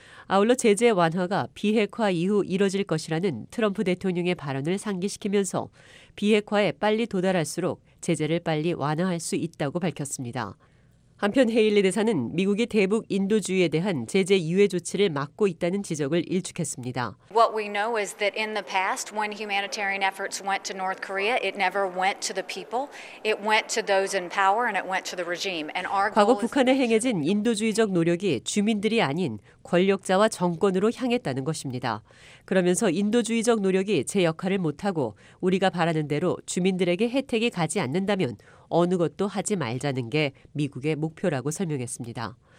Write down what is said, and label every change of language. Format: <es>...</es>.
<ko>아울러 제재 완화가 비핵화 이후 이뤄질 것이라는 트럼프 대통령의 발언을 상기시키면서 비핵화에 빨리 도달할수록 제재를 빨리 완화할 수 있다고 밝혔습니다. 한편 헤일리 대사는 미국이 대북 인도주의에 대한 제재 유예 조치를 막고 있다는 지적을 일축했습니다.</ko> <en>What we know is that in the past when humanitarian efforts went to North Korea, it never went to the people. It went to those in power and it went to the regime. And our</en> <ko>과거 북한에 행해진 인도주의적 노력이 주민들이 아닌 권력자와 정권으로 향했다는 것입니다. 그러면서 인도주의적 노력이 제 역할을 못하고 우리가 바라는 대로 주민들에게 혜택이 가지 않는다면 어느 것도 하지 말자는 게 미국의 목표라고 설명했습니다.</ko>